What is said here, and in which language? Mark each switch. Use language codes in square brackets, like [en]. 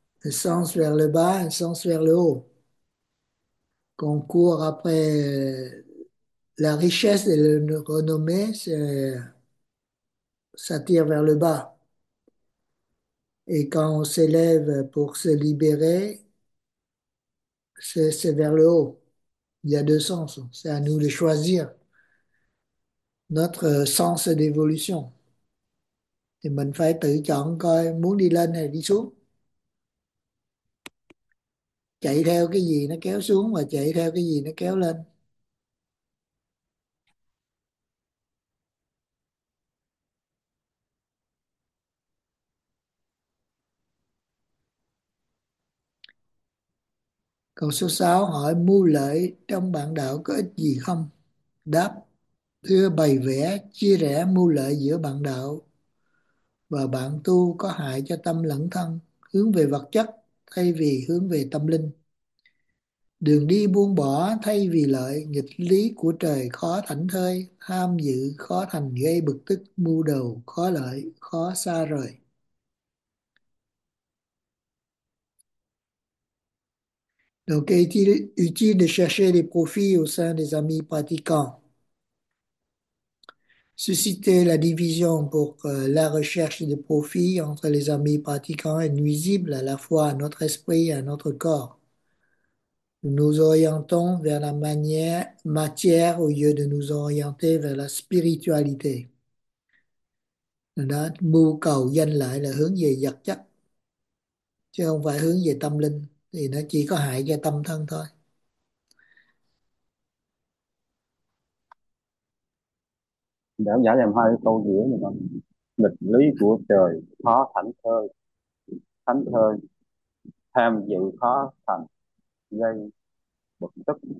[fr] Un sens vers le bas, un sens vers le haut. Qu'on court après la richesse et la renommée, ça tire vers le bas. Et quand on s'élève pour se libérer, c'est vers le haut. Il y a deux sens. C'est à nous de choisir notre sens d'évolution. [vi] Thì mình phải tự chọn coi muốn đi lên hay đi xuống. Chạy theo cái gì nó kéo xuống và chạy theo cái gì nó kéo lên. Câu số 6 hỏi mưu lợi trong bạn đạo có ích gì không? Đáp, thưa, bày vẽ, chia rẽ mưu lợi giữa bạn đạo và bạn tu có hại cho tâm lẫn thân, hướng về vật chất thay vì hướng về tâm linh. Đường đi buông bỏ thay vì lợi, nghịch lý của trời khó thảnh thơi, tham dự khó thành gây bực tức, mưu đồ khó lợi, khó xa rời. [fr] Donc, est-il utile de chercher des profits au sein des amis pratiquants? Susciter la division pour la recherche des profits entre les amis pratiquants est nuisible à la fois à notre esprit et à notre corps. Nous nous orientons vers la matière au lieu de nous orienter vers la spiritualité. [vi] Mưu cầu danh lợi là hướng về vật chất, chứ không phải hướng về tâm linh. Thì nó chỉ có hại cho tâm thân thôi. Giảng giải làm hai câu diễn này không? Nghịch lý của trời khó thảnh thơi tham dự khó thành gây bực tức.